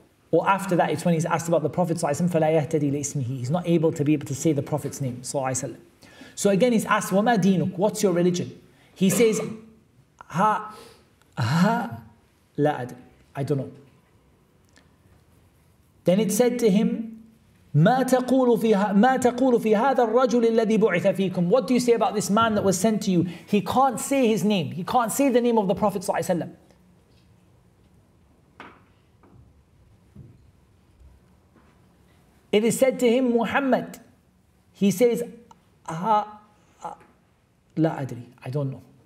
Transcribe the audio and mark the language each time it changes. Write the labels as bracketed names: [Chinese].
[English] Or after that, it's when he's asked about the Prophet ﷺ, [Arabic] فَلَا يَهْتَدِي لِإِسْمِهِ. [English] He's not able to be able to say the Prophet's name. So again, he's asked, [Arabic] وَمَا دِينُكُ, [English] what's your religion? He says, [Arabic] هَا لَا أَدْرِ, [English] I don't know. [Arabic] Then it said to him, مَا تَقُولُ فِي هَذَا الرَّجُلِ الَّذِي بُعِثَ فِيكُمْ. [English] What do you say about this man that was sent to you? He can't say his name. He can't say the name of the Prophet ﷺ. It is said to him, Muhammad. He says, [Arabic] لَا أَدْرِي, [English] I don't know.